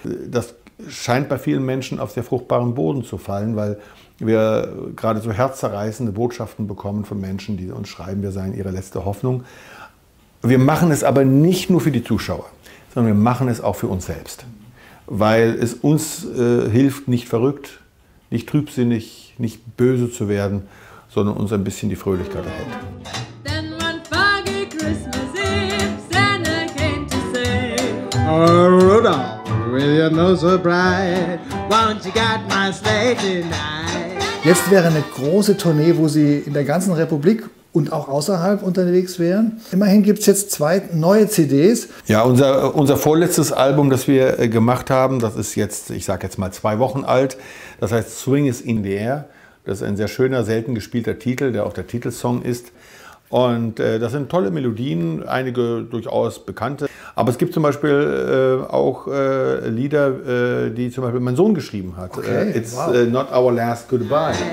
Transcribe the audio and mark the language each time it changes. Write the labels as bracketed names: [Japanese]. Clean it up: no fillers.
[German] Das scheint bei vielen Menschen auf sehr fruchtbaren Boden zu fallen, weil wir gerade so herzzerreißende Botschaften bekommen von Menschen, die uns schreiben, wir seien ihre letzte Hoffnung. Wir machen es aber nicht nur für die Zuschauer, sondern wir machen es auch für uns selbst. Weil es uns hilft, nicht verrückt, nicht trübsinnig, nicht böse zu werden, sondern uns ein bisschen die Fröhlichkeit erhält. [English] Then one foggy Christmas Eve, Santa came to say, oh, Rudolph, with your nose so bright, won't you get my sleigh tonight? [German] Jetzt wäre eine große Tournee, wo Sie in der ganzen Republik und auch außerhalb unterwegs wären. Immerhin gibt es jetzt zwei neue CDs. Ja, unser vorletztes Album, das wir gemacht haben, das ist jetzt, ich sage jetzt mal, 2 Wochen alt. Das heißt Swing is in the Air. Das ist ein sehr schöner, selten gespielter Titel, der auch der Titelsong ist. Und das sind tolle Melodien, einige durchaus bekannte. Aber es gibt zum Beispiel auch Lieder, die zum Beispiel mein Sohn geschrieben hat. Okay, [English] It's Not Our Last Goodbye.